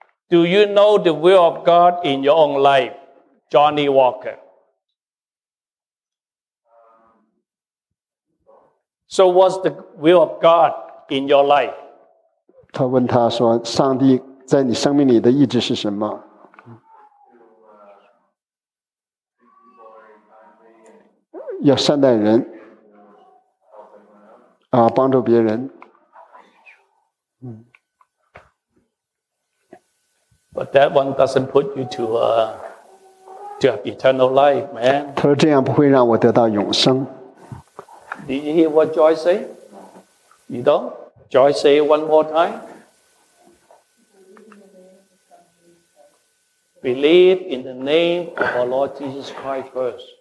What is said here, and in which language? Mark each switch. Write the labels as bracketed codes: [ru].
[en] Do you know the will of God in your own life, Johnny Walker? So what's the will of God in your life? [zh] 他问他说：“上帝在你生命里的意志是什么？” 要善待人啊，帮助别人。 [en] But that one doesn't put you to have eternal life, man. [zh] 他说这样不会让我得到永生。 [en] Did you hear what Joy say? You don't? Joy say one more time. Believe in the name of our Lord Jesus Christ first.